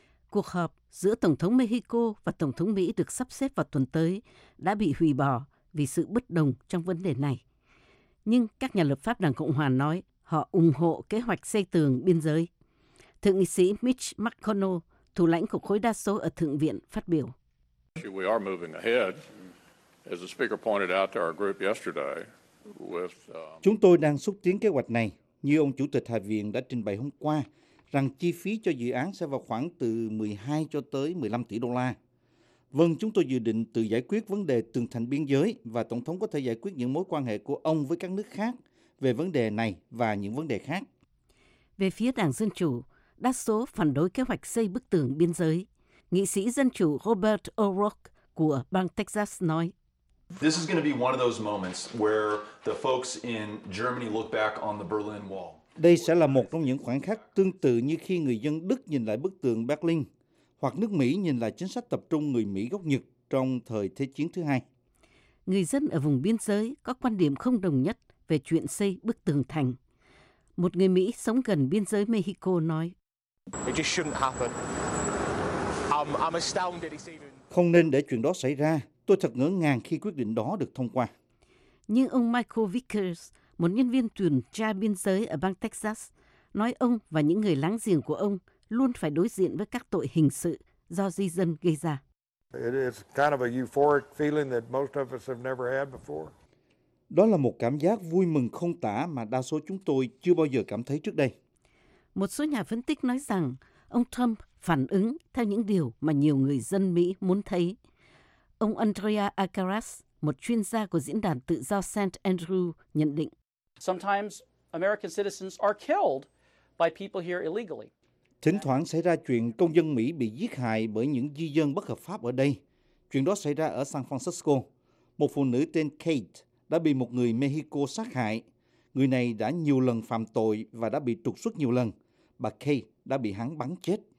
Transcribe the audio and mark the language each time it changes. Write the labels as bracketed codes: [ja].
[vi] Cuộc họp giữa Tổng thống Mexico và Tổng thống Mỹ được sắp xếp vào tuần tới đã bị hủy bỏ vì sự bất đồng trong vấn đề này. Nhưng các nhà lập pháp Đảng Cộng Hòa nói họ ủng hộ kế hoạch xây tường biên giới. Thượng nghị sĩ Mitch McConnell, thủ lãnh của khối đa số ở Thượng viện, phát biểu: [en] We are moving ahead, as the speaker pointed out to our group yesterday. [vi] Chúng tôi đang xúc tiến kế hoạch này, như ông Chủ tịch Hạ viện đã trình bày hôm qua, rằng chi phí cho dự án sẽ vào khoảng từ 12 cho tới 15 tỷ đô la. Vâng, chúng tôi dự định tự giải quyết vấn đề tường thành biên giới và Tổng thống có thể giải quyết những mối quan hệ của ông với các nước khác về vấn đề này và những vấn đề khác. Về phía Đảng Dân Chủ, đa số phản đối kế hoạch xây bức tường biên giới. Nghị sĩ Dân Chủ Robert O'Rourke của bang Texas nói: [en] This is going to be one of those moments where the folks in Germany look back on the Berlin Wall. [vi] Đây sẽ là một trong những khoảnh khắc tương tự như khi người dân Đức nhìn lại bức tường Berlin, hoặc nước Mỹ nhìn lại chính sách tập trung người Mỹ gốc Nhật trong thời Thế chiến thứ hai. Người dân ở vùng biên giới có quan điểm không đồng nhất về chuyện xây bức tường thành. Một người Mỹ sống gần biên giới Mexico nói: [en] It just shouldn't happen. I'm astounded. [vi] Không nên để chuyện đó xảy ra. Tôi thật ngỡ ngàng khi quyết định đó được thông qua. Nhưng ông Michael Vickers, một nhân viên tuần tra biên giới ở bang Texas, nói ông và những người láng giềng của ông luôn phải đối diện với các tội hình sự do di dân gây ra. [en] It is kind of a euphoric feeling that most of us have never had before. [vi] Đó là một cảm giác vui mừng không tả mà đa số chúng tôi chưa bao giờ cảm thấy trước đây. Một số nhà phân tích nói rằng ông Trump phản ứng theo những điều mà nhiều người dân Mỹ muốn thấy. Ông Andrea Acaras, một chuyên gia của diễn đàn tự do St. Andrew, nhận định: [en] Sometimes American citizens are killed by people here illegally. [vi] Thỉnh thoảng xảy ra chuyện công dân Mỹ bị giết hại bởi những di dân bất hợp pháp ở đây. Chuyện đó xảy ra ở San Francisco. Một phụ nữ tên Kate đã bị một người Mexico sát hại. Người này đã nhiều lần phạm tội và đã bị trục xuất nhiều lần. Bà Kate đã bị hắn bắn chết.